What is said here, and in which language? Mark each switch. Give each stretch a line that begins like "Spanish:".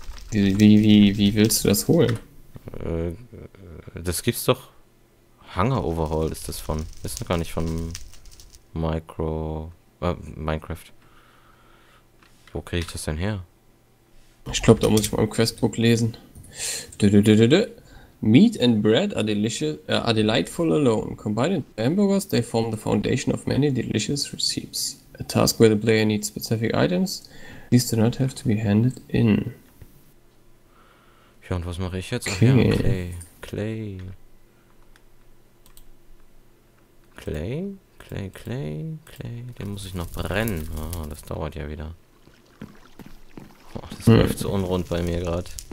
German: Wie willst du das holen? Das gibt's doch. Hunger Overhaul ist das von. Ist gar nicht von Minecraft. Wo krieg ich das denn her? Ich glaube, da muss ich mal im Questbook lesen.
English: Meat and bread are delicious, are delightful alone. Combined hamburgers, they form the foundation of many delicious recipes. A task where the player needs specific items. These do not have to be handed in.
German: Ja, und was mache ich jetzt? Okay. Ach ja,
English: Clay.
German: Den muss ich noch brennen. Oh, das dauert ja wieder. Oh, das läuft so unrund bei mir gerade.